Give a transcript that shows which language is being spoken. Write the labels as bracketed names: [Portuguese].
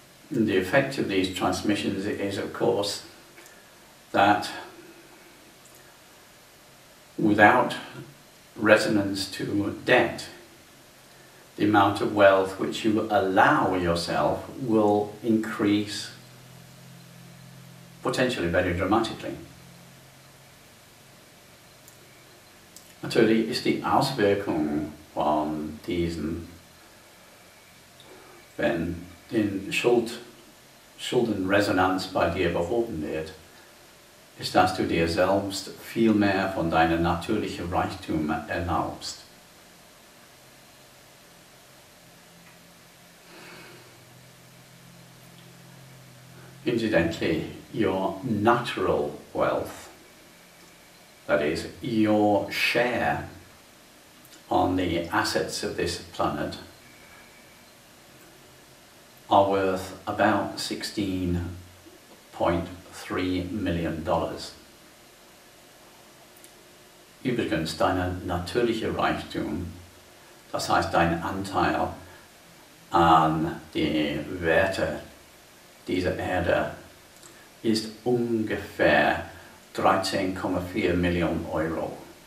[English] The effect of these transmissions is, of course, that without resonance to debt, the amount of wealth which you allow yourself will increase potentially very dramatically. [German] Natürlich ist die Auswirkung von diesen, wenn den Schuldenresonanz bei dir behoben wird, ist, dass du dir selbst viel mehr von deinem natürlichen Reichtum erlaubst. [English] Incidentally, your natural wealth, that is, your share on the assets of this planet, are worth about $16.3 million. [German] Übrigens, dein natürlicher Reichtum, das heißt dein Anteil an die Werte dieser Erde, ist ungefähr 13,4 Millionen Euro.